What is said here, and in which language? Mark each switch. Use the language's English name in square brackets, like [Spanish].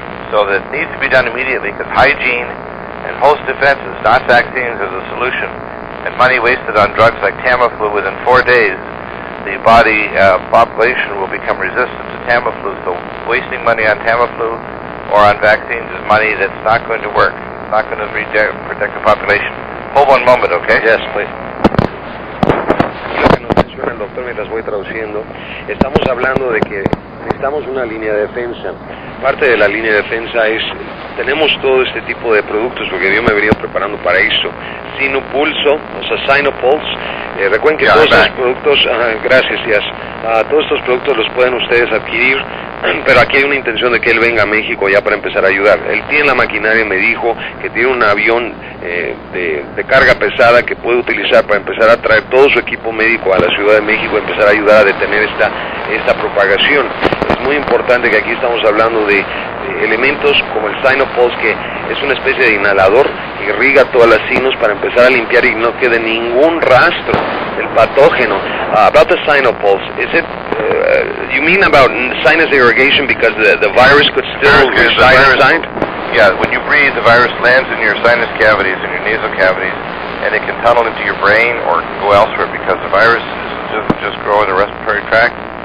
[English] So that needs to be done immediately, because hygiene and host defenses, not vaccines, is a solution. And money wasted on drugs like Tamiflu, within 4 days, the body population will become resistant to Tamiflu. So wasting money on Tamiflu or on vaccines is money that's not going to work. It's not going to protect the population. Hold one moment, okay? Yes, please. [Spanish] El doctor, mientras voy traduciendo, estamos hablando de que necesitamos una línea de defensa. Parte de la línea de defensa es, tenemos todo este tipo de productos, porque yo me venía preparando para eso. Sinopulso, o sea, Sinopulse, recuerden que todos estos productos, todos estos productos los pueden ustedes adquirir, pero aquí hay una intención de que él venga a México ya para empezar a ayudar. Él tiene la maquinaria, me dijo, que tiene un avión de carga pesada que puede utilizar para empezar a traer todo su equipo médico a la Ciudad de México y empezar a ayudar a detener esta propagación. Es muy importante que aquí estamos hablando de elementos como el Sinopulse, Pulse, que es una especie de inhalador, irriga todas las sinus para empezar a limpiar y no quede ningún rastro del patógeno. [English] About the Sinopulse, is it, you mean about sinus irrigation because the virus could still reside inside? Yeah, when you breathe, the virus lands in your sinus cavities, in your nasal cavities, and it can tunnel into your brain or go elsewhere because the virus doesn't just grow in the respiratory tract.